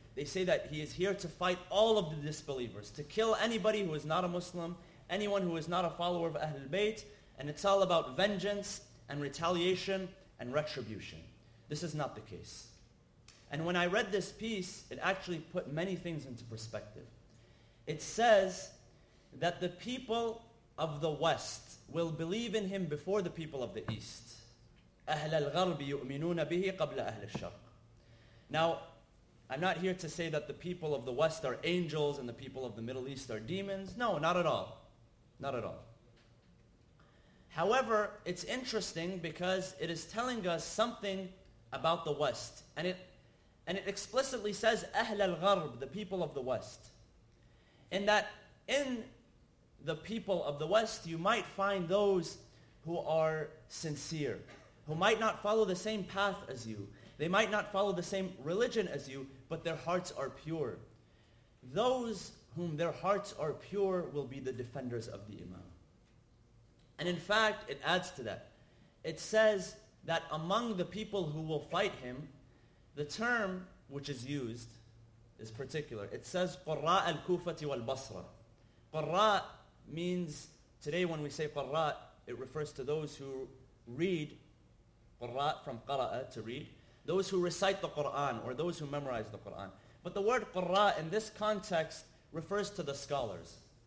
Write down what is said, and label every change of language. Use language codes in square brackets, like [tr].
[en] They say that he is here to fight all of the disbelievers, to kill anybody who is not a Muslim, anyone who is not a follower of Ahlul Bayt, and it's all about vengeance and retaliation and retribution. This is not the case. And when I read this piece, it actually put many things into perspective. It says that the people of the West will believe in him before the people of the East. [ar] أهل الغرب يؤمنون به قبل أهل الشرق. [en] Now, I'm not here to say that the people of the West are angels and the people of the Middle East are demons. No, not at all. Not at all. However, it's interesting because it is telling us something about the West. And it explicitly says, [ar] أهل الغرب, [en] the people of the West. In that, in the people of the West, you might find those who are sincere, who might not follow the same path as you. They might not follow the same religion as you, but their hearts are pure. Those whom their hearts are pure will be the defenders of the Imam. And in fact, it adds to that. It says that among the people who will fight him, the term which is used is particular. It says, [ar] قراء الكوفة والبصرة. [en] قراء means, today when we say قراء, it refers to those who read, قراء from قراء, to read, those who recite the Qur'an, or those who memorize the Qur'an. But the word قراء in this context refers to the scholars.